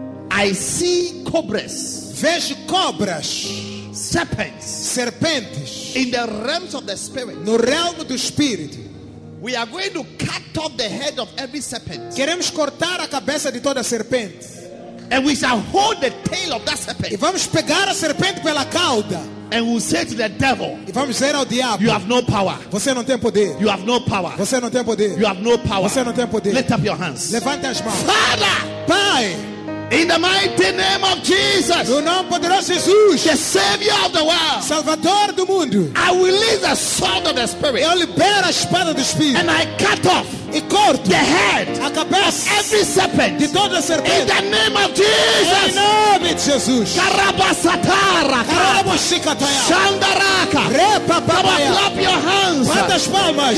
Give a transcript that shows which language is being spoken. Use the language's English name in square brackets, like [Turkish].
[English] I see cobras. [Portuguese] Vejo cobras. [English] Serpents. [Portuguese] Serpentes. [English] In the realms of the spirit. [Portuguese] No reino do espírito. [English] We are going to cut off the head of every serpent. [Portuguese] Queremos cortar a cabeça de toda serpente. [English] And we shall hold the tail of that serpent. [Portuguese] E vamos pegar a serpente pela cauda. [English] And we'll say to the devil. [Portuguese] E vamos dizer ao diabo. [English] You have no power. [Portuguese] Você não tem poder. [English] You have no power. [Portuguese] Você não tem poder. [English] You have no power. [Portuguese] Você não tem poder. [English] Lift up your hands. [Portuguese] Levante as mãos. [English] Father, [Portuguese] Pai. [English] In the mighty name of Jesus. [Portuguese] No nome poderoso de Jesus. [English] The Savior of the world. [Portuguese] Salvador do mundo. [English] I release the sword of the spirit. [Portuguese] Eu libero a espada do espírito. [English] And I cut off. [Portuguese] E corto [English] the head, [Portuguese] a cabeça, [English] every serpent, [Portuguese] de toda serpente. [English] In the name of Jesus. [Portuguese] Em nome de Jesus. Carabasatara, carabushikataya, shandaraka, repapaya. [English] Clap your hands. [Portuguese] Bata as palmas.